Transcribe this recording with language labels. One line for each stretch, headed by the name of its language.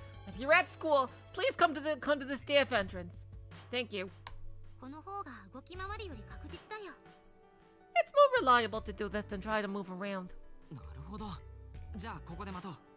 English: If you're at school, please come to the staff entrance. Thank you.
Japanese: この方が動き回りより確実だよ.
English: It's more reliable to do this than try to move around.
Japanese: なるほど。じゃあここで待とう.